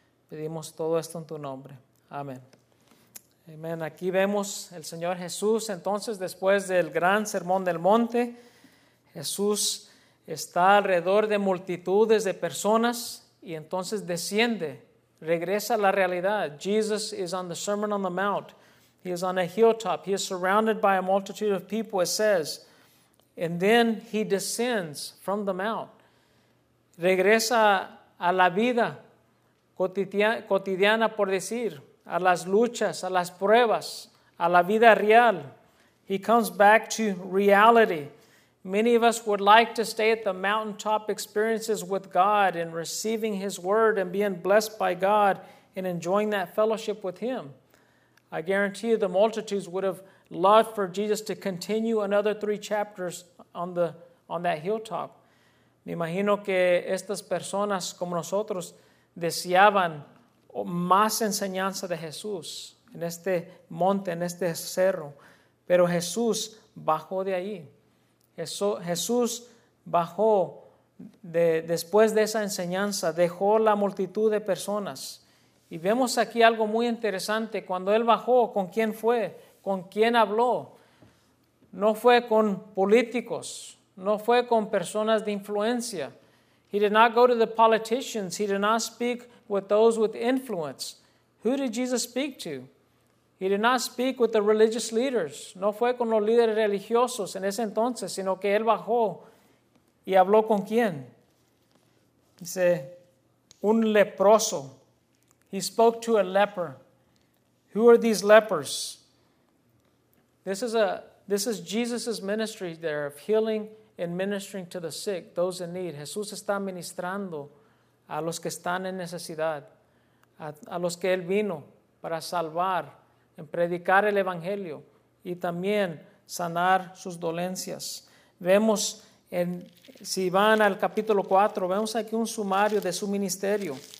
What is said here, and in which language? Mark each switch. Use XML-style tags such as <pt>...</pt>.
<es>Pedimos todo esto en tu nombre. Amén. Amén. Aquí vemos el Señor Jesús. Entonces, después del gran sermón del monte, Jesús está alrededor de multitudes de personas y entonces desciende. Regresa a la realidad.</es> <en>Jesus is on the Sermon on the Mount. He is on a hilltop. He is surrounded by a multitude of people, it says. And then he descends from the mount.</en> <es>Regresa a la vida cotidiana, por decir, a las luchas, a las pruebas, a la vida real.</es> <en>He comes back to reality. Many of us would like to stay at the mountaintop experiences with God and receiving His Word and being blessed by God and enjoying that fellowship with Him. I guarantee you the multitudes would have loved for Jesus to continue another 3 chapters on that hilltop.</en> <es>Me imagino que estas personas como nosotros deseaban más enseñanza de Jesús en este monte, en este cerro. Pero Jesús bajó de ahí. Jesús bajó después de esa enseñanza, dejó la multitud de personas. Y vemos aquí algo muy interesante. Cuando Él bajó, ¿con quién fue? ¿Con quién habló? No fue con políticos, no fue con personas de influencia.</es> <en>He did not go to the politicians. He did not speak with those with influence. Who did Jesus speak to? He did not speak with the religious leaders.</en> <es>No fue con los líderes religiosos en ese entonces, sino que Él bajó y habló con quién. Dice, un leproso.</es> <en>He spoke to a leper. Who are these lepers? This is Jesus' ministry there of healing and ministering to the sick, those in need.</en> <es>Jesús está ministrando a los que están en necesidad, a los que Él vino para salvar, en predicar el Evangelio y también sanar sus dolencias. Vemos, si van al capítulo 4, vemos aquí un sumario de su ministerio.</es>